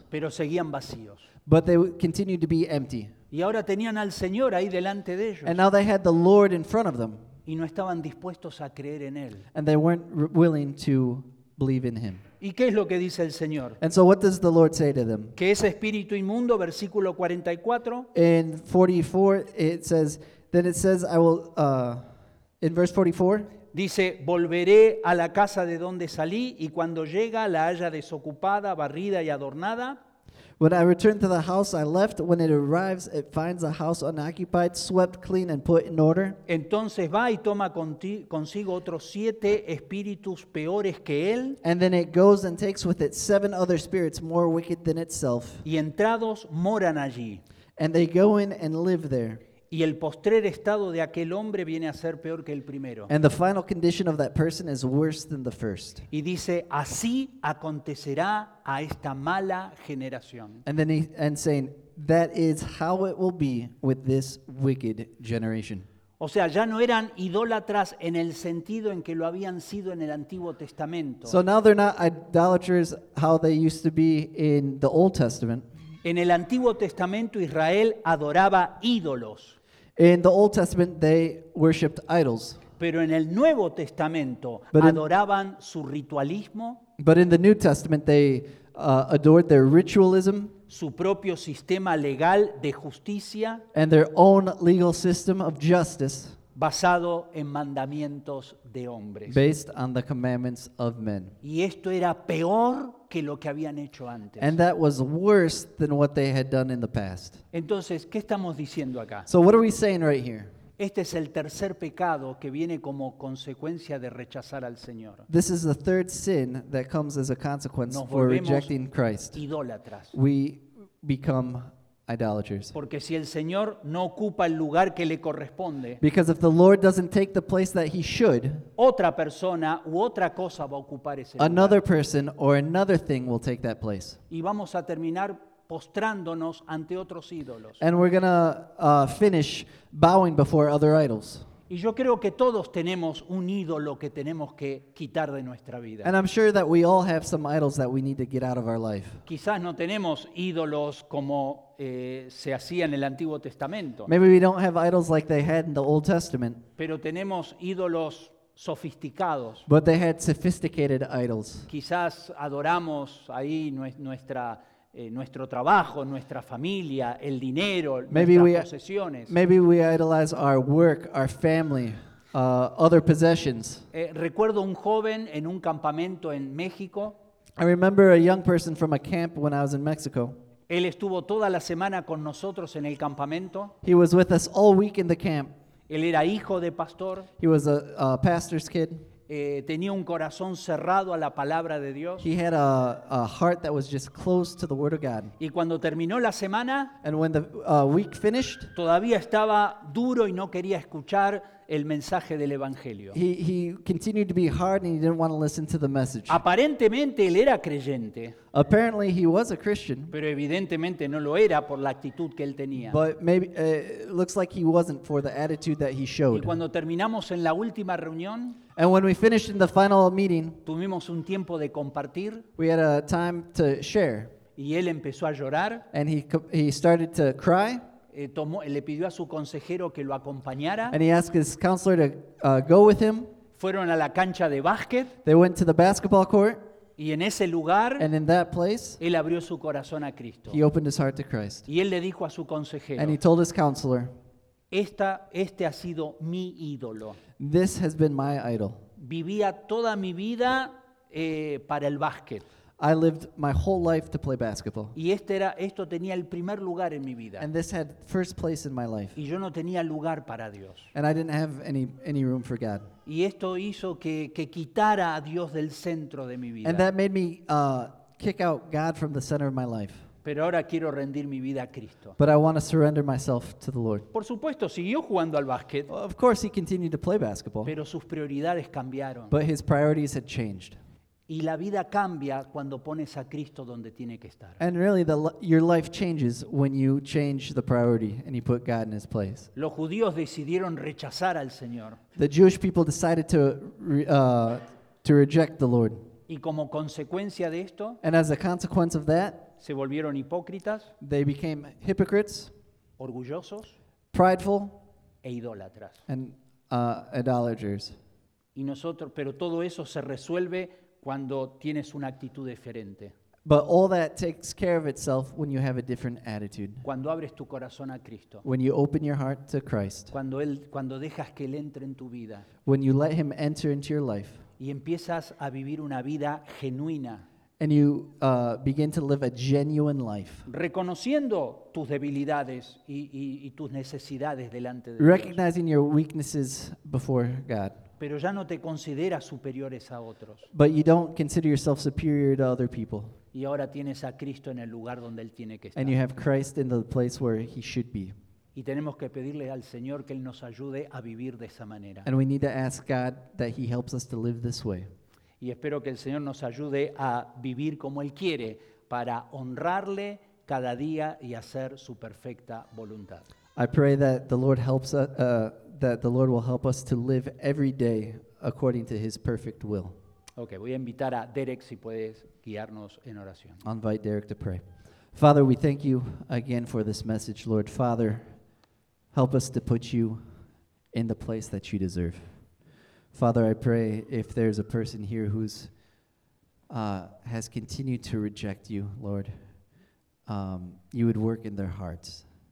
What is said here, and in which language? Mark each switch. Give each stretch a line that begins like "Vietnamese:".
Spanish: Pero seguían vacíos.
English: But they continued to be empty.
Spanish: Y ahora tenían al Señor ahí delante de ellos.
English: And now they had the Lord in front of them.
Spanish: Y no estaban dispuestos a creer en Él.
English: And they weren't willing to believe in Him.
Spanish: ¿Y qué es lo que dice el Señor?
English: And so what does the Lord say to them?
Spanish: Que ese espíritu inmundo, versículo 44.
English: In 44, it says, I will, in verse 44.
Spanish: Dice, volveré a la casa de donde salí, y cuando llega la haya desocupada, barrida y adornada.
English: When I return to the house I left, when it arrives, it finds the house unoccupied, swept clean and put in order.
Spanish: Entonces va y toma consigo otros siete espíritus peores que él.
English: And then it goes and takes with it seven other spirits more wicked than itself.
Spanish: Y entrados moran allí.
English: And they go in and live there.
Spanish: Y el postrer estado de aquel hombre viene a ser peor que el primero.
English: And the final condition of that person is worse than the first.
Spanish: Y dice, así acontecerá a esta mala generación.
English: And then saying, that is how it will be with this wicked generation.
Spanish: O sea, ya no eran idólatras en el sentido en que lo habían sido en el Antiguo Testamento.
English: So now they're not idolaters how they used to be in the Old Testament.
Spanish: En el Antiguo Testamento Israel adoraba ídolos.
English: In the Old Testament they worshipped idols.
Spanish: Pero en el Nuevo Testamento adoraban su ritualismo.
English: But in the New Testament they adored their ritualism.
Spanish: Su propio sistema legal de justicia.
English: And their own legal system of justice.
Spanish: Basado en mandamientos de hombres.
English: Based on the commandments of men.
Spanish: Y esto era peor que lo que habían hecho antes.
English: And that was worse than what they had done in the past.
Spanish: Entonces, ¿qué estamos diciendo acá?
English: So what are we saying right here?
Spanish: Este es el tercer pecado que viene como consecuencia de rechazar al Señor.
English: This is the third sin that comes as a consequence for rejecting Christ.
Spanish: Nos volvemos idólatras.
English: We become idolaters.
Spanish: Porque si el Señor no ocupa el lugar que le corresponde,
English: because if the Lord doesn't take the place that he should,
Spanish: otra persona u otra cosa va a ocupar ese lugar.
English: Another person or another thing will take that place.
Spanish: Y vamos a terminar postrándonos ante otros ídolos.
English: And we're going to finish bowing before other idols.
Spanish: Y yo creo que todos tenemos un ídolo que tenemos que quitar de nuestra vida.
English: And I'm sure that we all have some idols that we need to get out of our life.
Spanish: Quizás no tenemos ídolos como se hacía en el Antiguo Testamento.
English: Maybe we don't have idols like they had in the Old Testament.
Spanish: Pero tenemos ídolos sofisticados.
English: But they had sophisticated idols.
Spanish: Quizás adoramos ahí nuestro trabajo, nuestra familia, el dinero, nuestras posesiones.
English: Maybe we idolize our work, our family, other possessions.
Spanish: Recuerdo un joven en un campamento en México.
English: I remember a young person from a camp when I was in Mexico.
Spanish: Él estuvo toda la semana con nosotros en el campamento.
English: He was with us all week in the camp.
Spanish: Él era hijo de pastor.
English: He was a pastor's kid.
Spanish: Tenía un corazón cerrado a la palabra de Dios.
English: He had a heart that was just close to the word of God.
Spanish: Y cuando terminó la semana,
English: and when the week finished,
Spanish: todavía estaba duro y no quería escuchar el mensaje del evangelio.
English: He continued to be hard and he didn't want to listen to the message.
Spanish: Aparentemente él era creyente.
English: Apparently he was a Christian.
Spanish: Pero evidentemente no lo era por la actitud que él tenía.
English: But maybe it looks like he wasn't for the attitude that he showed.
Spanish: Y cuando terminamos en la última reunión,
English: and when we finished in the final meeting,
Spanish: tuvimos un tiempo de compartir.
English: We had a time to share.
Spanish: Y él empezó a llorar.
English: And he started to cry.
Spanish: Le pidió a su consejero que lo acompañara.
English: And he asked his counselor to go with him.
Spanish: Fueron a la cancha de básquet.
English: They went to the basketball court.
Spanish: Y en ese lugar,
English: and in that place,
Spanish: él abrió su corazón a Cristo.
English: He opened his heart to Christ.
Spanish: Y él le dijo a su consejero,
English: and he told his counselor,
Spanish: este ha sido mi ídolo.
English: This has been my idol.
Spanish: Vivía toda mi vida para el básquet.
English: I lived my whole life to play basketball.
Spanish: Y esto tenía el primer lugar en mi vida.
English: And this had first place in my life.
Spanish: Y yo no tenía lugar para Dios.
English: And I didn't have any room for God.
Spanish: Y esto hizo que quitara a Dios del centro de mi vida.
English: And that made me kick out God from the center of my life.
Spanish: Pero ahora quiero rendir mi vida a Cristo.
English: But I want to surrender myself to the Lord.
Spanish: Por supuesto, siguió jugando al básquet.
English: Well, of course, he continued to play basketball.
Spanish: Pero sus prioridades cambiaron.
English: But his priorities had changed.
Spanish: Y la vida cambia cuando pones a Cristo donde tiene que estar.
English: And really, your life changes when you change the priority and you put God in his place.
Spanish: Los judíos decidieron rechazar al Señor.
English: The Jewish people decided to reject the Lord.
Spanish: Y como consecuencia de esto,
English: and as a consequence of that,
Spanish: se volvieron hipócritas,
English: they became hypocrites,
Spanish: orgullosos,
English: prideful,
Spanish: e idólatras,
English: and idolaters.
Spanish: Y nosotros, pero todo eso se resuelve cuando tienes una actitud diferente.
English: But all that takes care of itself when you have a different attitude.
Spanish: Cuando abres tu corazón a Cristo.
English: When you open your heart to Christ.
Spanish: Cuando dejas que él entre en tu vida.
English: When you let him enter into your life.
Spanish: Y empiezas a vivir una vida genuina.
English: And you begin to live a genuine life.
Spanish: Reconociendo tus debilidades y tus necesidades delante de Dios.
English: Recognizing your weaknesses before God.
Spanish: Pero ya no te consideras superiores a otros.
English: But you don't consider yourself superior to other people.
Spanish: Y ahora tienes a Cristo en el lugar donde él tiene que estar.
English: And you have Christ in the place where he should be.
Spanish: Y tenemos que pedirle al Señor que él nos ayude a vivir de esa manera.
English: And we need to ask God that he helps us to live this way.
Spanish: Y espero que el Señor nos ayude a vivir como Él quiere, para honrarle cada día y hacer su perfecta voluntad.
English: I pray that the Lord helps us, that the Lord will help us to live every day according to His perfect will.
Spanish: Okay, voy a invitar a Derek si puedes guiarnos en oración.
English: I'll invite Derek to pray. Father, we thank you again for this message, Lord. Father, help us to put you in the place that you deserve. Father, I pray if there's a person here who's has continued to reject you, Lord, you would work in their hearts.